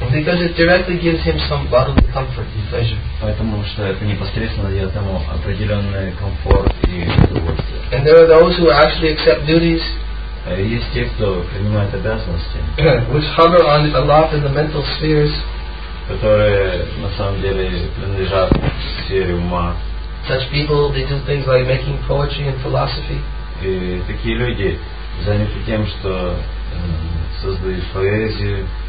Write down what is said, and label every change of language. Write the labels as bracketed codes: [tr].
[en] Because it directly gives him some bodily comfort and pleasure. [ru] Поэтому что это непосредственно дает ему определенный комфорт и удовольствие. [en] And there are those who actually accept duties. [ru] Есть те, кто принимает обязанности. [en] Which hover on a lot in the mental spheres. [ru] Которые на самом деле принадлежат сфере ума. [en] Such people, they do things like making poetry and philosophy. [ru] И такие люди заняты тем, что создают поэзию,